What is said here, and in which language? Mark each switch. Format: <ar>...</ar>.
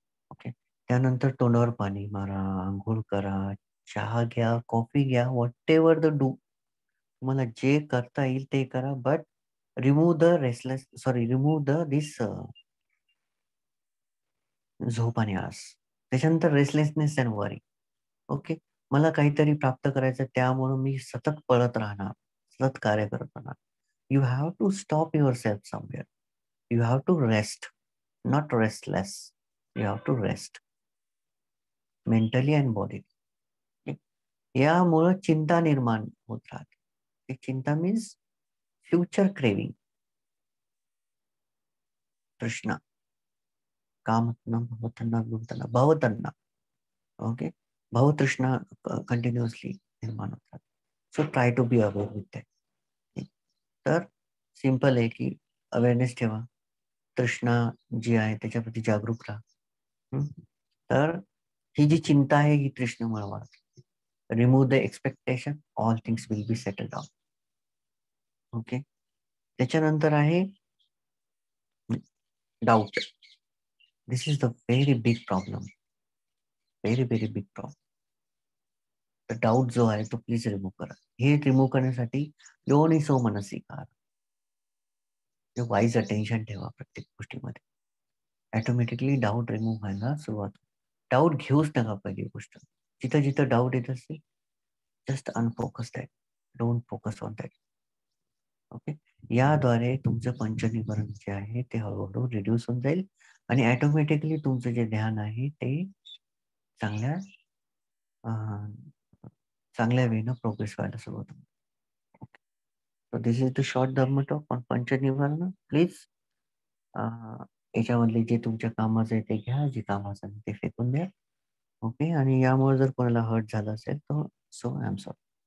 <mr>Okay, त्यानंतर तोंडावर पाणी मारा, आंघोळ करा, चहा घ्या, कॉफी घ्या,</mr> <en>whatever the do,</en> <mr>तुम्हाला जे करता येईल ते करा,</mr> <en>but remove the restless, sorry remove the this</en> <mr>झोप आणि आळस. त्याच्यानंतर</mr> <en>Restlessness and worry.</en> <mr>ओके, मला काहीतरी प्राप्त करायचं, त्यामुळे मी सतत पळत राहणार, सतत कार्य करत राहणार.</mr> <en>You have to stop yourself somewhere. You have to rest, not restless. You have to rest mentally and body. Yeah, more</en> <hi>chinta nirman hota hai.</hi> <en>Chinta means future craving. Krishna, kamatna bhavatanna bhutana bhavatanna.</en> <hi>Okay, bhavatrishna continuously nirman hota hai.</hi> <en>So try to be aware with that.</en> <mr>तर simple आहे की awareness ठेवा, तृष्णा जी आहे त्याच्याप्रती जागरूक राहा. तर ही जी चिंता आहे ही तृष्णामुळे वाढते.</mr> <en>Remove the expectation, all things will be settle down.</en> <mr>Okay, त्याच्यानंतर आहे doubt.</mr> <en>This is the very big problem, very very big problem.</en> <mr>Doubt जो आहे तो प्लीज रिमूव्ह करा. हे रिमूव्ह करण्यासाठी योनिसो मनसिकार, वाईज अटेन्शन ठेवा प्रत्येक गोष्टीमध्ये. ऍटोमॅटिकली डाऊट रिमूव्ह व्हायला सुरुवात. डाऊट घेऊच नका पहिली गोष्ट. जिथं जिथं डाऊट येत असेल,</mr> <en>Just unfocus that, don't focus on that.</en> <mr>Okay, याद्वारे तुमचं पंचनिवारण जे आहे ते हळूहळू रिड्यूस होऊन जाईल आणि ऍटोमॅटिकली तुमचं जे ध्यान आहे ते चांगल्या चांगल्या वेनं प्रोग्रेस व्हायला सुरुवात.</mr> <en>So this is the short dharma talk on पंचनिवारण.</en> <mr>प्लीज याच्यामधले जे तुमच्या कामाचं आहे ते घ्या, जे कामाचं आहे ते फेकून द्या. ओके, आणि यामुळे जर कोणाला हर्ट झालं असेल तर</mr> <en>So I am sorry.</en>